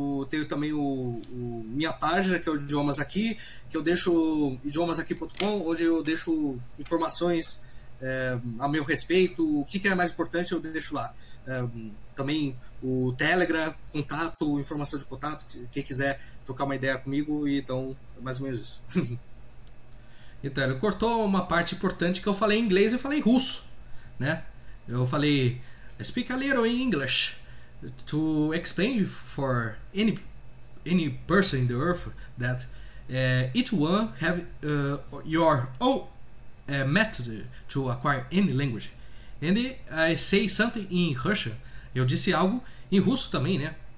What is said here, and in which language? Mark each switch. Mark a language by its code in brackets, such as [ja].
[pt] Tenho também o minha página, que é o Idiomas Aqui, que eu deixo idiomasaqui.com, onde eu deixo informações a meu respeito, o que é mais importante eu deixo lá. Também o Telegram, contato, informação de contato, quem quiser trocar uma ideia comigo, então é mais ou menos isso. Então, ele cortou uma parte importante que eu falei em inglês e falei em russo, né? Eu falei, [en] speak a little in English to explain for any person in the earth that each one have your own method to acquire any language. And I say something in Russian. [pt] Eu disse algo em russo também, né?